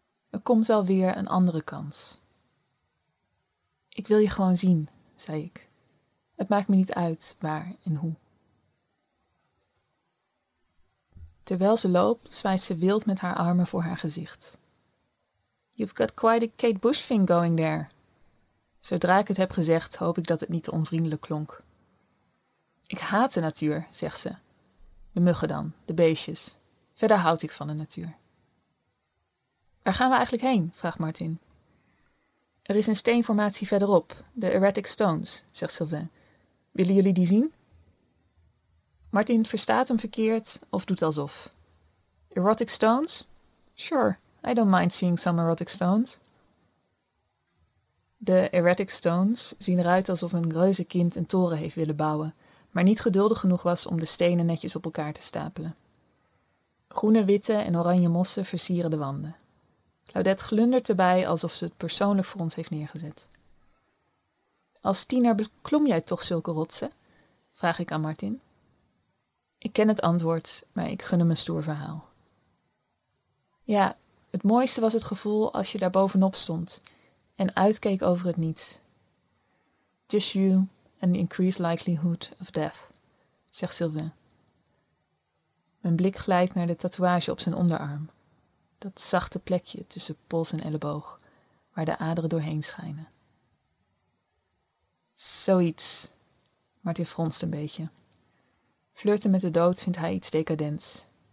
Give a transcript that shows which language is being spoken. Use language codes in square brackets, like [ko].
[nl] Er komt wel weer een andere kans. Ik wil je gewoon zien, zei ik. Het maakt me niet uit waar en hoe. Terwijl ze loopt, zwaait ze wild met haar armen voor haar gezicht. [en] You've got quite a Kate Bush thing going there. [nl] Zodra ik het heb gezegd, hoop ik dat het niet te onvriendelijk klonk. Ik haat de natuur, zegt ze. De muggen dan, de beestjes. Verder houd ik van de natuur. Waar gaan we eigenlijk heen? Vraagt Martin. Er is een steenformatie verderop, de Erratic Stones, zegt Sylvain. Willen jullie die zien? Martin verstaat hem verkeerd of doet alsof. Erratic Stones? [en] Sure, I don't mind seeing some Erratic Stones. [nl] De Erratic Stones zien eruit alsof een reuze kind een toren heeft willen bouwen, maar niet geduldig genoeg was om de stenen netjes op elkaar te stapelen. Groene, witte en oranje mossen versieren de wanden. Claudette glundert erbij alsof ze het persoonlijk voor ons heeft neergezet. Als tiener beklom jij toch zulke rotsen? Vraag ik aan Martin. Ik ken het antwoord, maar ik gun hem een stoer verhaal. Ja, het mooiste was het gevoel als je daar bovenop stond en uitkeek over het niets. [en] Just you and the increased likelihood of death, [nl] zegt Sylvain. Mijn blik glijdt naar de tatoeage op zijn onderarm, dat zachte plekje tussen pols en elleboog, waar de aderen doorheen schijnen. Zoiets, Martin fronst een beetje. Flirten met de dood vindt hij iets decadents.